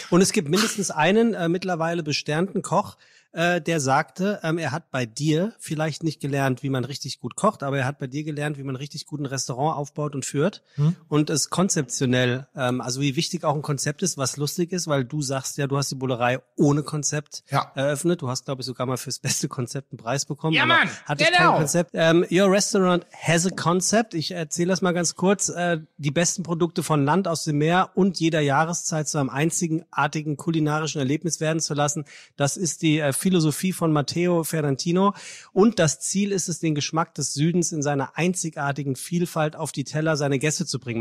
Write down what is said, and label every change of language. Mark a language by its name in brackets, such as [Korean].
[German] Und es gibt mindestens einen mittlerweile besternten Koch, der sagte, er hat bei dir vielleicht nicht gelernt, wie man richtig gut kocht, aber er hat bei dir gelernt, wie man richtig gut ein Restaurant aufbaut und führt. Und es konzeptionell, also wie wichtig auch ein Konzept ist, was lustig ist, weil du sagst ja, du hast die Bullerei ohne Konzept eröffnet. Du hast, glaube ich, sogar mal fürs beste Konzept einen Preis bekommen. Ja, Mann, hattest genau. Kein Konzept. [English] Your restaurant has a concept. [German] Ich erzähle das mal ganz kurz. Die besten Produkte von Land, aus dem Meer und jeder Jahreszeit zu einem einzigartigen kulinarischen Erlebnis werden zu lassen. Das ist die Philosophie von Matteo Ferrantino. Und das Ziel ist es, den Geschmack des Südens in seiner einzigartigen Vielfalt auf die Teller seiner Gäste zu bringen.